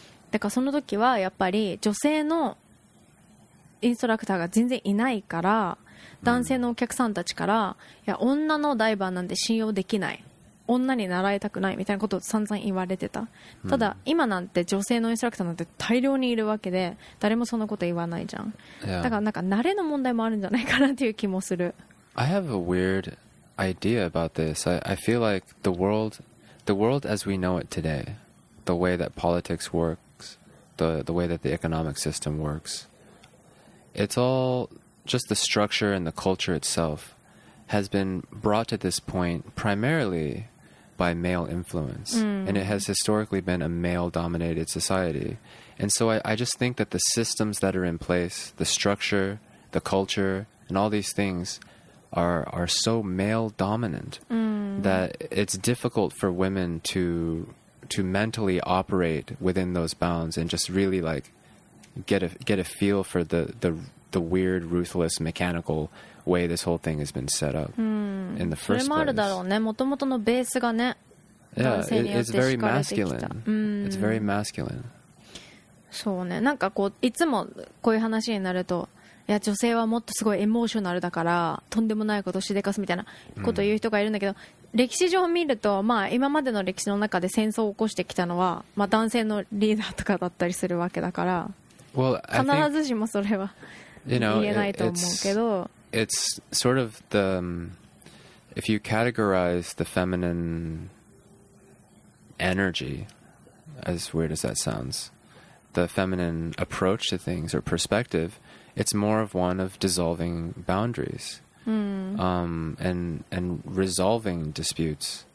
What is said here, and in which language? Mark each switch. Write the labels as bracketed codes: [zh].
[ja] だからその時はやっぱり女性のインストラクターが全然いないから男性のお客さんたちから、いや女のダイバーなんて信用できない、女に習いたくないみたいなことを散々言われてた。ただ今なんて女性のインストラクターなんて大量にいるわけで誰もそんなこと言わないじゃん。だからなんか慣れの問題もあるんじゃないかなっていう気もする。 [en] I have a weird idea about this. I feel like the world as we know it today, the way that politics works, the way that the economic system works, it's all just the structure and the culture itself has been brought to this point primarily by male influence. And it has historically been a male-dominated society. And so I just think that the systems that are in place, the structure, the culture, and all these things are so male-dominant that it's difficult for women to mentally operate within those bounds and just really like get a feel for the weird, ruthless, mechanical way this whole thing has been set up in the first place. [ja] それもあるだろうね。もともとのベースがね、 [en] it's very masculine. It's very masculine. [ja] そうね。なんかこういつもこういう話になると、いや女性はもっとすごいエモーショナルだからとんでもないことしでかすみたいなことを言う人がいるんだけど、歴史上見ると、まあ、今までの歴史の中で戦争を起こしてきたのは、まあ、男性のリーダーとかだったりするわけだから、 [en] well, I think, [ja] 必ずしもそれは言えないと思うけど、 [en] it's sort of the if you categorize the feminine energy, as weird as that sounds, the feminine approach to things or perspective, it's more of one of dissolving boundaries and resolving disputes,